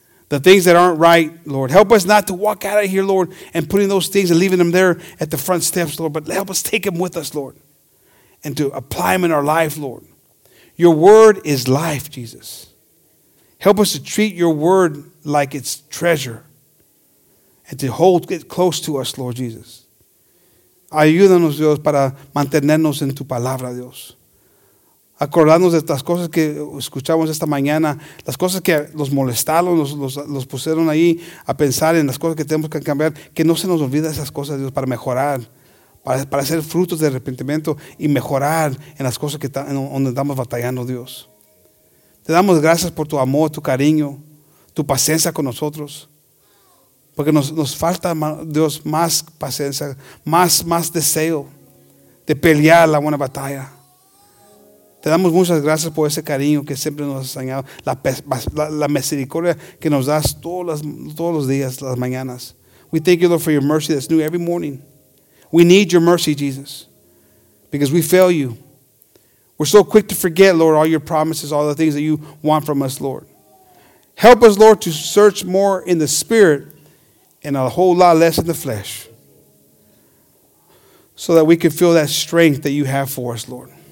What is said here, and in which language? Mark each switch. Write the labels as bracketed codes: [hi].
[en] The things that aren't right, Lord. Help us not to walk out of here, Lord, and putting those things and leaving them there at the front steps, Lord. But help us take them with us, Lord, and to apply them in our life, Lord. Your word is life, Jesus. Help us to treat your word like it's treasure and to hold it close to us, Lord Jesus. [es] Ayúdanos, Dios, para mantenernos en tu palabra, Dios. Acordarnos de estas cosas que escuchamos esta mañana, las cosas que los molestaron, los pusieron ahí a pensar en las cosas que tenemos que cambiar, que no se nos olvide esas cosas, Dios, para mejorar, para hacer frutos de arrepentimiento y mejorar en las cosas que donde estamos batallando, Dios. Te damos gracias por tu amor, tu cariño, tu paciencia con nosotros, porque nos falta, Dios, más paciencia, más deseo de pelear la buena batalla. Te damos muchas gracias por ese cariño que siempre nos has enseñado, la misericordia que nos das todos los días, las mañanas. [en] We thank you, Lord, for your mercy that's new every morning. We need your mercy, Jesus, because we fail you. We're so quick to forget, Lord, all your promises, all the things that you want from us, Lord. Help us, Lord, to search more in the spirit and a whole lot less in the flesh so that we can feel that strength that you have for us, Lord.